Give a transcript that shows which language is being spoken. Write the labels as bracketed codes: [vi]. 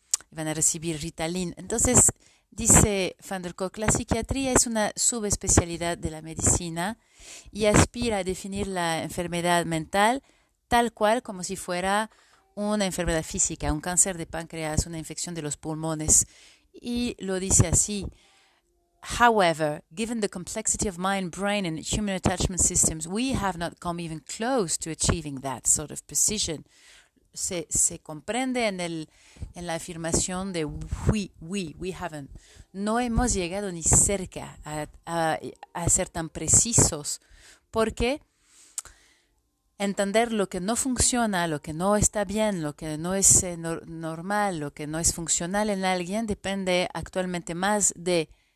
[es] Van a recibir Ritalin. Entonces, dice van der Kolk, la psiquiatría es una subespecialidad de la medicina y aspira a definir la enfermedad mental tal cual como si fuera una enfermedad física, un cáncer de páncreas, una infección de los pulmones. Y lo dice así: [en] however, given the complexity of mind, brain and human attachment systems, we have not come even close to achieving that sort of precision. [es] Se comprende en la afirmación de [en] we haven't. [es] No hemos llegado ni cerca a ser tan precisos, porque entender lo que no funciona, lo que no está bien, lo que no es normal, lo que no es funcional en alguien, depende actualmente más de